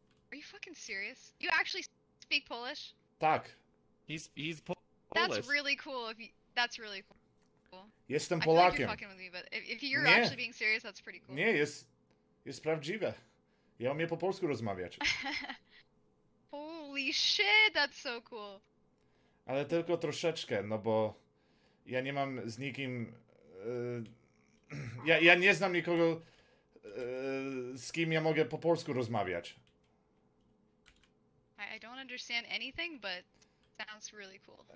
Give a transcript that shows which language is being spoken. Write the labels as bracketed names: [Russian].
[English] Are you fucking serious? You actually speak Polish? [Polish] Tak. [English] He's Polish. That's really cool. That's really cool. [Polish] Jestem Polakiem. [English] I feel like you're fucking with me, but if you're actually being serious, that's pretty cool. [Polish] Nie, jest prawdziwe. Ja umiem po polsku rozmawiać. [English] Holy shit, that's so cool. [Polish] Ale tylko troszeczkę, no bo ja nie mam z nikim... ja nie znam nikogo, z kim ja mogę po polsku rozmawiać. [English] I don't understand anything, but sounds really cool.